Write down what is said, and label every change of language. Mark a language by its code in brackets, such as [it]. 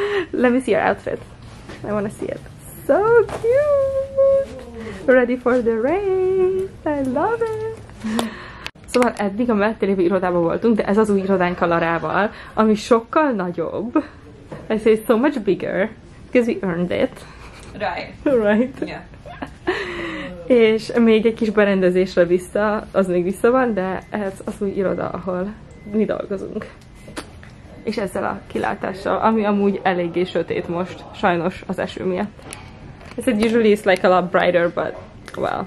[en] Let me see your outfit. I wanna see it. So cute! Ready for the rain. I love it! [hu] Szóval eddig a mellettelévő irodában voltunk, de ez az új irodánk a Larával, ami sokkal nagyobb. [en] I say so much bigger, because we earned it. Right. Yeah. [hu] És még egy kis berendezésre vissza, az még vissza van, de ez az új iroda, ahol mi dolgozunk. És ezzel a kilátással, ami amúgy eléggé sötét most, sajnos az eső miatt. Ez egy [en] usually is like a lot brighter, but well.